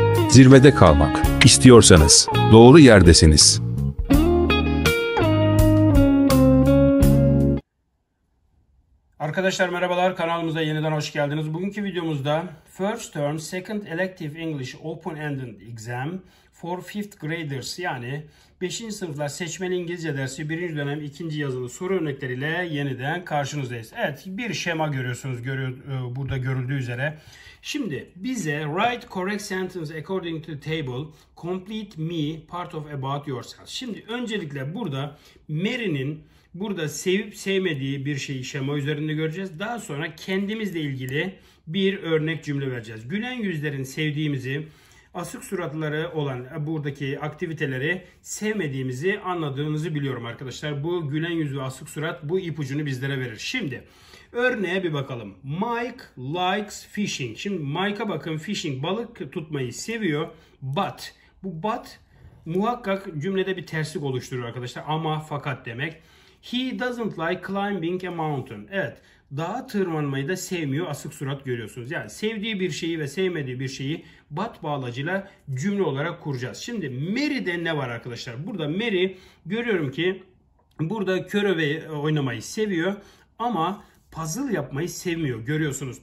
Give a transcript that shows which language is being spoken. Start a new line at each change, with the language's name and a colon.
Turkish: Zirvede kalmak istiyorsanız doğru yerdesiniz. Arkadaşlar merhabalar, kanalımıza yeniden hoş geldiniz. Bugünkü videomuzda
English: First Term Second Elective English Open-Ended Exam for Fifth Graders,
Turkish: yani 5. sınıfla seçmeli İngilizce dersi 1. dönem 2. yazılı soru örnekleriyle yeniden karşınızdayız. Evet, bir şema görüyorsunuz burada görüldüğü üzere. Şimdi bize
English: write correct sentence according to the table, complete me, part of about yourself.
Turkish: Şimdi öncelikle burada Mary'nin burada sevip sevmediği bir şeyi şema üzerinde göreceğiz. Daha sonra kendimizle ilgili bir örnek cümle vereceğiz. Gülen yüzlerin sevdiğimizi, asık suratları olan buradaki aktiviteleri sevmediğimizi anladığınızı biliyorum arkadaşlar. Bu gülen yüz ve asık surat bu ipucunu bizlere verir. Şimdi örneğe bir bakalım.
English: Mike likes fishing.
Turkish: Şimdi Mike'a bakın, fishing, balık tutmayı seviyor. But, bu but muhakkak cümlede bir terslik oluşturur arkadaşlar. Ama, fakat demek.
English: He doesn't like climbing a mountain.
Turkish: Evet, dağa tırmanmayı da sevmiyor. Asık surat görüyorsunuz. Yani sevdiği bir şeyi ve sevmediği bir şeyi but bağlacıyla cümle olarak kuracağız. Şimdi Mary'de ne var arkadaşlar? Burada Mary, görüyorum ki burada körebe oynamayı seviyor ama puzzle yapmayı sevmiyor. Görüyorsunuz.